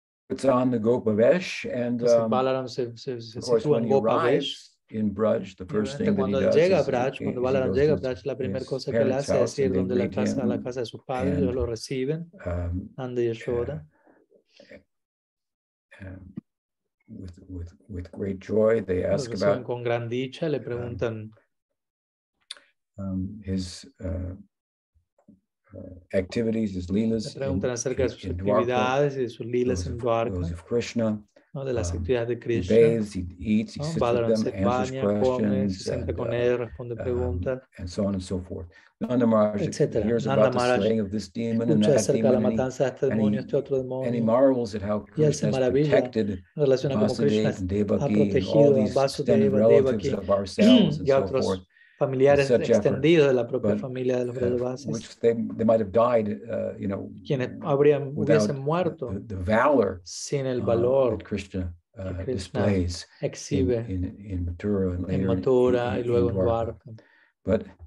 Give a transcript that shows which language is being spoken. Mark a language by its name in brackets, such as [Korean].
[English] It's on the Gopavesh, and activities, his leelas. [Spanish] Le preguntan acerca de sus actividades y de sus leelas en Dwarka. [English] Those of Krishna. [Spanish] ¿No? De las actividades de Krishna. [English] He bathes, he eats, he sits with them, answers [Spanish] baña, [English] questions, [Spanish] se senta con él, responde preguntas. [English] And so on and so forth. Nanda Maharaj hears about the slaying of this demon and that demon. [Spanish] La matanza de este demonio, este otro demonio. [English] And he marvels at how Krishna has protected Vasudeva and Devaki and all these extended relatives of ourselves and so forth. [Spanish] Familiares extendidos de la propia familia de los Brajavasis, quienes hubiesen muerto sin el valor que Krishna exhibe en Mathura y luego en Dwarka.